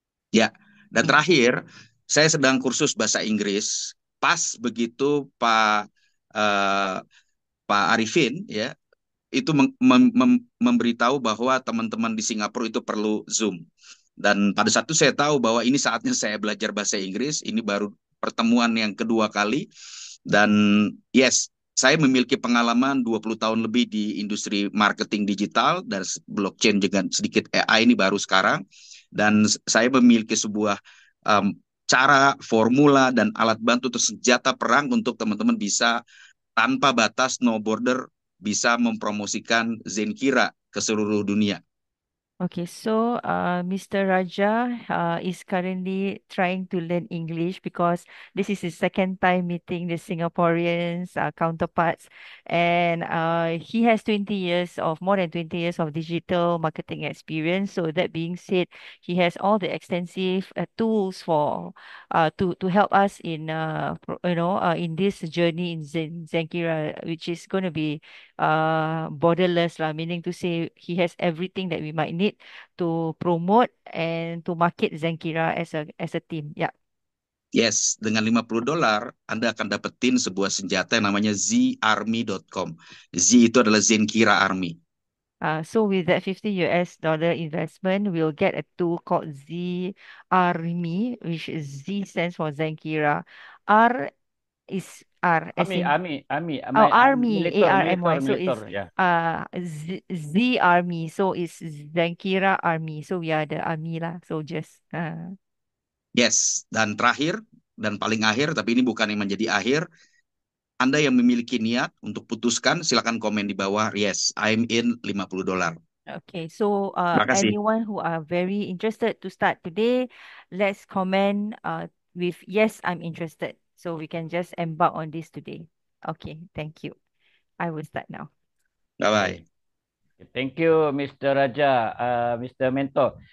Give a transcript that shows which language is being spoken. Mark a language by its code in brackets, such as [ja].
[id] Ya, dan terakhir, saya sedang kursus bahasa Inggris. Pas begitu Pak Arifin ya itu memberitahu bahwa teman-teman di Singapura itu perlu Zoom. Dan pada saat itu saya tahu bahwa ini saatnya saya belajar bahasa Inggris. Ini baru pertemuan yang kedua kali. Dan [en] yes, [id] saya memiliki pengalaman 20 tahun lebih di industri marketing digital dan blockchain dengan sedikit AI ini baru sekarang. Dan saya memiliki sebuah cara, formula, dan alat bantu atau senjata perang untuk teman-teman bisa tanpa batas, [en] no border, [id] bisa mempromosikan Zenkira ke seluruh dunia. [en] Okay, so Mr. Raja is currently trying to learn English because this is his second time meeting the Singaporeans counterparts, and he has 20 years of more than 20 years of digital marketing experience. So that being said, he has all the extensive tools for to help us in in this journey in Zenqira, which is going to be borderless lah, meaning to say he has everything that we might need to promote and to market Zenqira as a team. Yeah. [id] Yes, dengan $50, Anda akan dapetin sebuah senjata yang namanya ZArmy.com. Z itu adalah Zenkira Army. [en] So with that $50 investment, we'll get a tool called Z Army, which is Z stands for Zenqira. R is R as Army, in Army, Army, our my army, [id] militer, [en] ARMY. So it's [id] militer, ya. [en] Yeah. Z Army. So it's Zenqira Army. So we are the army lah. So just Yes, [id] dan terakhir dan paling akhir, tapi ini bukan yang menjadi akhir. Anda yang memiliki niat untuk putuskan, silakan komen di bawah. [en] Yes, I'm in $50. okay, so [id] Terima kasih. [en] anyone who are very interested to start today, let's comment with yes, I'm interested. So we can just embark on this today. Okay, thank you. I will start now. Bye bye. Thank you, Mr. Raja, Mr. Mentor.